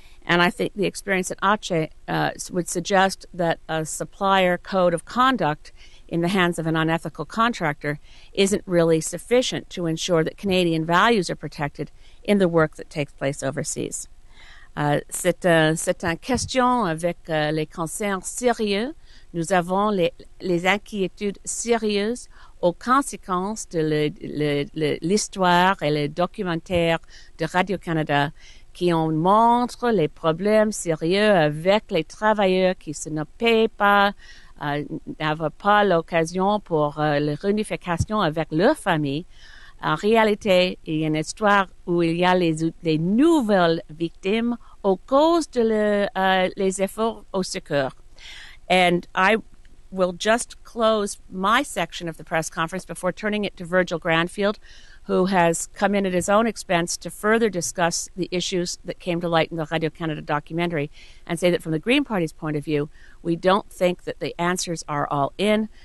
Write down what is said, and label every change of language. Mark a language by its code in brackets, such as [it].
[en] And I think the experience at Aceh would suggest that a supplier code of conduct in the hands of an unethical contractor isn't really sufficient to ensure that Canadian values are protected in the work that takes place overseas. [fr] C'est une question avec les concerns sérieux. Nous avons les inquiétudes sérieuses aux conséquences de l'histoire et le documentaire de Radio-Canada qui ont montré les problèmes sérieux avec les travailleurs qui se ne paient pas, n'avaient pas l'occasion pour la réunification avec leur famille. En réalité, il y a une histoire où il y a les nouvelles victimes aux causes de les efforts au secours. [en] And I will just close my section of the press conference before turning it to Virgil Granfield, who has come in at his own expense to further discuss the issues that came to light in the Radio-Canada documentary, and say that from the Green Party's point of view, we don't think that the answers are all in.